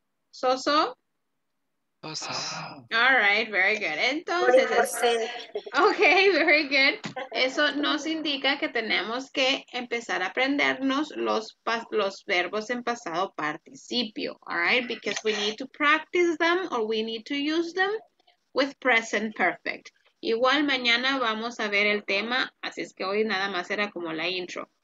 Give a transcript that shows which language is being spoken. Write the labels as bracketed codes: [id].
[en] Soso? Soso. All right, very good. [es] Entonces, [en] ok, very good. [es] Eso nos indica que tenemos que empezar a aprendernos los verbos en pasado participio. [en] All right, because we need to practice them or we need to use them with present perfect. [es] Igual mañana vamos a ver el tema, así es que hoy nada más era como la intro.